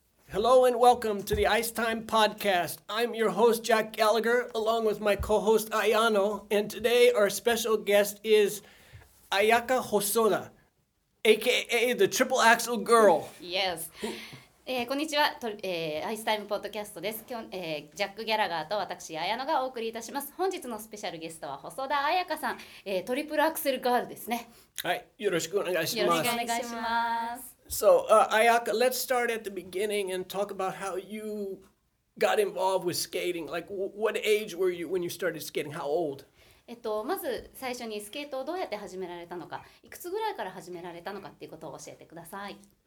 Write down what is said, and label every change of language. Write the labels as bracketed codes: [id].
[en] Hello and welcome to the Ice Time Podcast. I'm your host, Jack Gallagher, along with my co-host, Ayano. And today, our special guest is Ayaka Hosoda, a.k.a. the Triple Axel Girl. Yes. [ja] こんにちは、アイスタイムポッドキャストです。今日、ジャック・ギャラガーと私、綾野がお送りいたします。本日のスペシャルゲストは、細田彩香さん、トリプルアクセルガールですね。はい、よろしくお願いします。よろしくお願いします。 [en] So, Ayaka, let's start at the beginning and talk about how you got involved with skating. Like, what age were you when you started skating? How old? [ja] まず最初にスケートをどうやって始められたのか、いくつぐらいから始められたのかっていうことを教えてください。